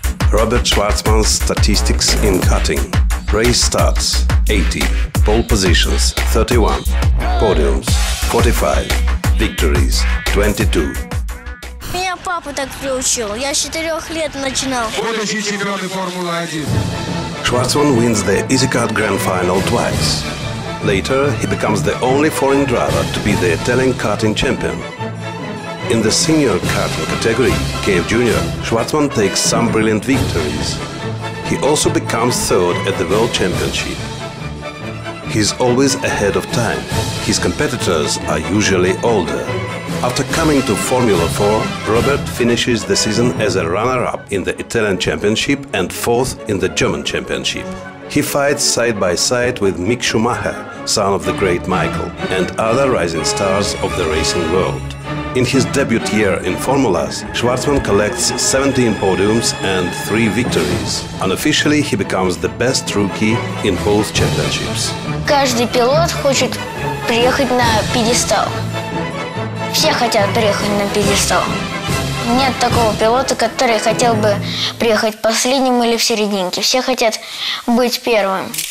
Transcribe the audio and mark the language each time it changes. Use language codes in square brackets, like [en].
[en] Robert Schwartzman's statistics in karting. Race starts 80, pole positions 31, podiums 45, victories 22. [ru] Меня папа так приучил, я с 4 лет начинал. Будущий чемпион Формулы-1. [en] Schwartzman wins the EasyCard Grand Final twice. Later, he becomes the only foreign driver to be the Italian karting champion. In the senior karting category, KF Junior, Schwartzman takes some brilliant victories. He also becomes third at the World Championship. He's always ahead of time. His competitors are usually older. After coming to Formula 4, Robert finishes the season as a runner-up in the Italian Championship and fourth in the German Championship. He fights side-by-side with Mick Schumacher, son of the great Michael, and other rising stars of the racing world. In his debut year in Formulas, Schwartzman collects 17 podiums and 3 victories. Unofficially, he becomes the best rookie in both championships. [ru] Каждый пилот хочет приехать на пьедестал. Все хотят приехать на пьедестал. Нет такого пилота, который хотел бы приехать последним или в серединке. Все хотят быть первым.